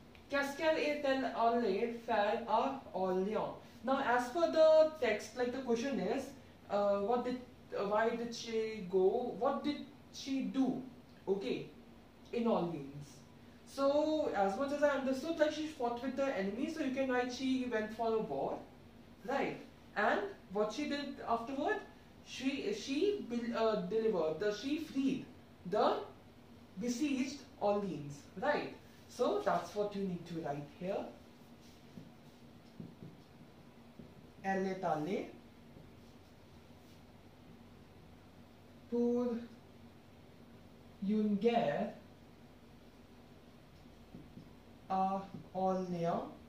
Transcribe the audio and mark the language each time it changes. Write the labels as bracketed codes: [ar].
[fr] Qu'est-ce qu'elle est-elle allée faire à Orléans? [en] Now, as per the text, like the question is, why did she go, what did she do, okay, in Orléans? So, as much as I understood, like she fought with the enemy, so you can write she went for a war. Right, and what she did afterward, she freed the besieged Orleans, right? So that's what you need to write here. [fr] Elle est allée pour une guerre à Orléans.